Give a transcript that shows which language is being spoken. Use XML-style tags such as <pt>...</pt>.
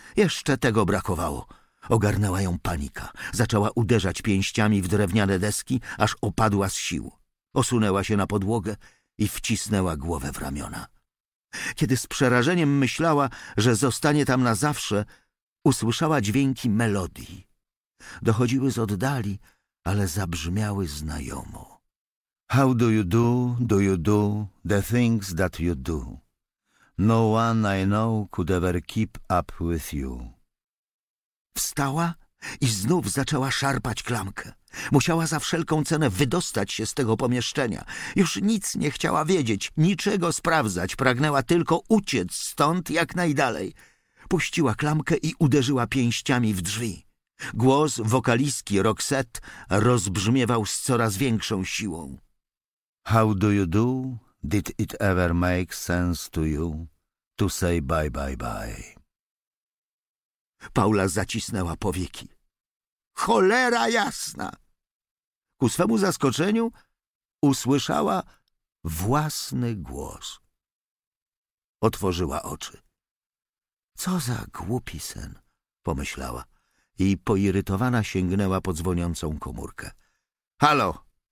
<pl>Jeszcze tego brakowało. Ogarnęła ją panika. Zaczęła uderzać pięściami w drewniane deski, aż opadła z sił. Osunęła się na podłogę i wcisnęła głowę w ramiona. Kiedy z przerażeniem myślała, że zostanie tam na zawsze, usłyszała dźwięki melodii. Dochodziły z oddali, ale zabrzmiały znajomo.</pl> <en>How do you do the things that you do? No one I know could ever keep up with you.</en> <pl>Wstała i znów zaczęła szarpać klamkę. Musiała za wszelką cenę wydostać się z tego pomieszczenia. Już nic nie chciała wiedzieć, niczego sprawdzać. Pragnęła tylko uciec stąd jak najdalej. Puściła klamkę i uderzyła pięściami w drzwi. Głos wokalistki Roxette rozbrzmiewał z coraz większą siłą.</pl> <en>How do you do? Did it ever make sense to you to say bye, bye, bye?</en> <pl>Paula zacisnęła powieki. Cholera jasna! Ku swemu zaskoczeniu usłyszała własny głos. Otworzyła oczy. Co za głupi sen, pomyślała i poirytowana sięgnęła po dzwoniącą komórkę. Halo!</pl>